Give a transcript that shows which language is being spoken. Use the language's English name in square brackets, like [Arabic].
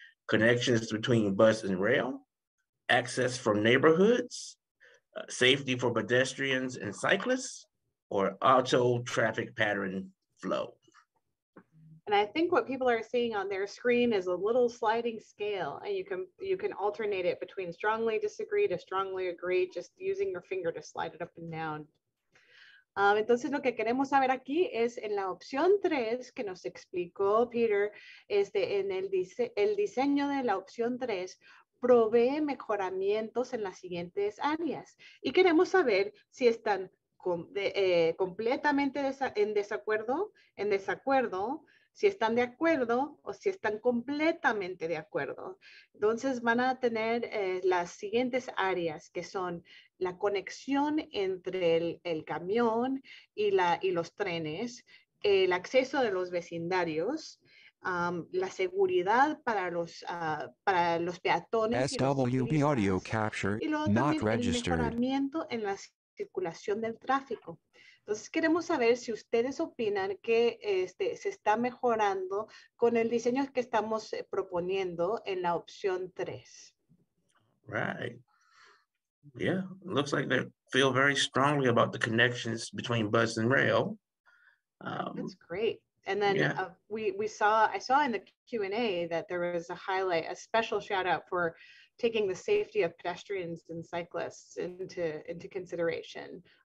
[English] Connections between bus and rail, access from neighborhoods, safety for pedestrians and cyclists, or auto traffic pattern flow. And I think what people are seeing on their screen is a little sliding scale, and you can alternate it between strongly disagree to strongly agree, just using your finger to slide it up and down. [Spanish] Entonces lo que queremos saber aquí es en la opción 3 que nos explicó Peter, en el diseño de la opción 3 provee mejoramientos en las siguientes áreas. Y queremos saber si están completamente en desacuerdo, si están de acuerdo o si están completamente de acuerdo. Entonces van a tener las siguientes áreas, que son la conexión entre el camión y los trenes, el acceso de los vecindarios, la seguridad para los peatones. SWB audio capture, not registered. El mejoramiento en la circulación del tráfico. Entonces queremos saber si ustedes opinan que se está mejorando con el diseño que estamos proponiendo en la opción 3. [English] Right. Yeah, looks like they feel very strongly about the connections between bus and rail. That's great. And then I saw in the Q&A that there was a special shout out for taking the safety of pedestrians and cyclists into consideration.